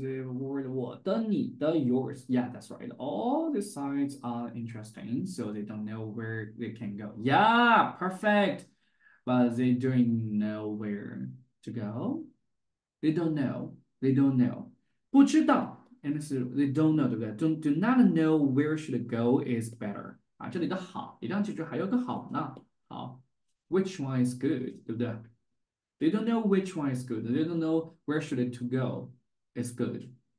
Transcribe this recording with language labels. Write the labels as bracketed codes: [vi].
[en] Word [zh] 我的、你的、 [en] yours. Yeah, that's right. All these signs are interesting, so they don't know where they can go. Yeah, perfect. But they don't know where to go. They don't know. They don't know. [zh] 不知道， [en] and they don't know， [zh] 对不对？ [en] Do not know where should go is better。 [zh] 啊，这里的好，你这样记住还有个好呢。 [en] 好，which one is good， [zh] 对不对？ [en] They don't know which one is good. They don't know where should to go is good。